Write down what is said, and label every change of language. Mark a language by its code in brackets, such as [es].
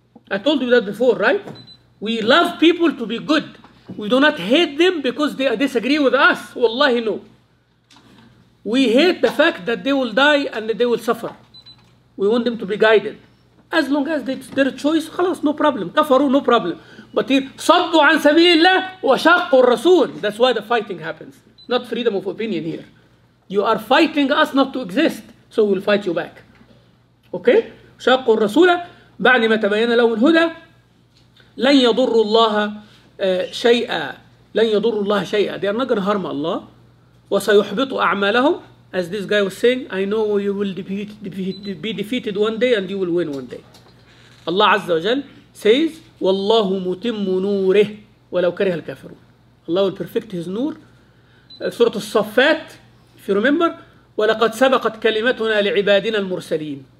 [en] I told you that before, right? We love people to be good. We do not hate them because they disagree with us. Wallahi, no. We hate the fact that they will die and that they will suffer. We want them to be guided. As long as it's their choice, khalas, no problem. Kafaru, no problem. But here, [ar] صدوا عن سبيل الله وشاقوا الرسول. [en] That's why the fighting happens. Not freedom of opinion here. You are fighting us not to exist, so we'll fight you back. Okay? [ar] شاقوا الرسول بعد ما تبين له الهدى لن يضر الله شيئا لن يضر الله شيئا. [en] They are not going to harm Allah. [ar] وسيحبط أعمالهم. [en] As this guy was saying, I know you will be defeated one day and you will win one day. Allah Azza wa Jal says, [ar] وَاللَّهُ مُتِمُّ نُورِهِ وَلَوْ كَرِهَ الْكَافِرُونَ. [en] Allah will perfect his nur. Surah As-Saffat, if you remember, [ar] وَلَقَدْ سَبَقَتْ كَلِمَتُنَا لِعِبَادِنَا الْمُرْسَلِينَ.